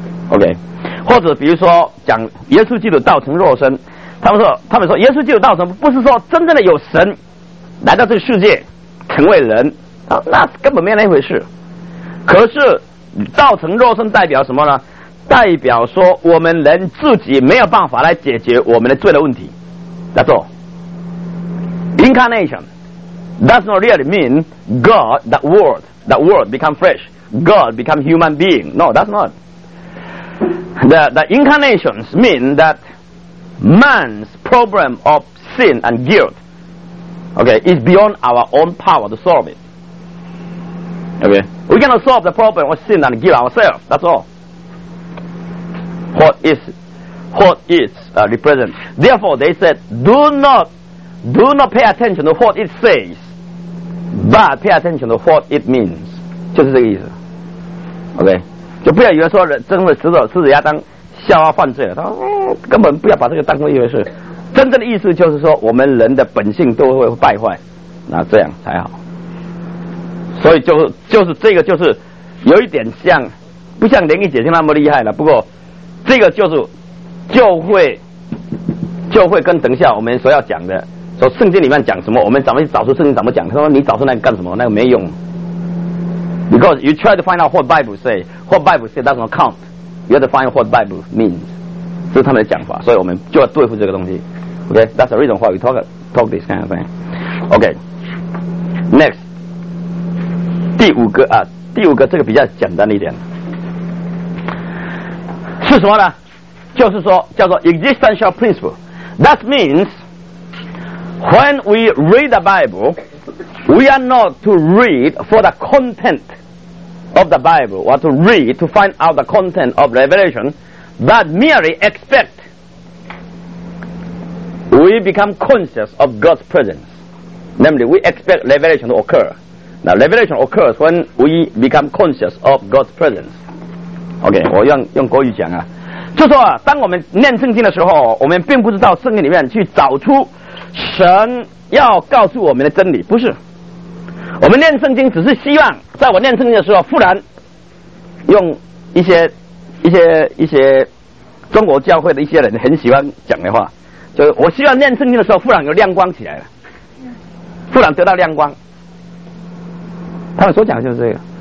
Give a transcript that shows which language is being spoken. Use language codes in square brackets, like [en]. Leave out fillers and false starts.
[zh] OK， 或者比如说讲耶稣基督道成肉身，他们说耶稣基督道成不是说真正的有神来到这个世界成为人，那根本没有那回事。可是道成肉身代表什么呢？代表说我们人自己没有办法来解决我们的罪的问题。 [en] That's all. Incarnation does not really mean God, that word become flesh, God become human being. No, that's not. The incarnations mean that man's problem of sin and guilt, okay, is beyond our own power to solve it. Okay, we're gonna solve the problem of sin and give ourselves. That's all. What is represented? Therefore, they said, do not pay attention to what it says, but pay attention to what it means. [zh] 就是这个意思。 Okay, 就不要以为说真的死者是亚当夏娃犯罪了，他说、根本不要把这个当成一回事。真正的意思就是说，我们人的本性都会败坏，那这样才好。所以就是这个就是有一点像，不像莲姐那么厉害了。不过这个就会跟等一下我们所要讲的，说圣经里面讲什么，我们怎么去找出圣经怎么讲？他说你找出那个干什么？那个没用。 [en] Because you try to find out what Bible say, what Bible say doesn't count. You have to find what Bible means. [zh] 这是他们的讲法，所以我们就要对付这个东西。 [en] Okay, that's the reason why we talk this kind of thing. Okay, next. [zh] 第五个这个比较简单一点。是什么呢？就是说叫做 [en] existential principle. That means when we read the Bible, we are not to read for the content of the Bible or to read to find out the content of Revelation, but merely expect we become conscious of God's presence. Namely, we expect Revelation to occur. Now, Revelation occurs when we become conscious of God's presence. [zh] Okay, 我用国语讲啊，就说啊，当我们念圣经的时候，我们并不知道圣经里面去找出神要告诉我们的真理，不是。我们念圣经只是希望，在我念圣经的时候，忽然用一些中国教会的一些人很喜欢讲的话，就是我希望念圣经的时候，忽然有亮光起来了，忽然得到亮光。他们所讲的就是这个。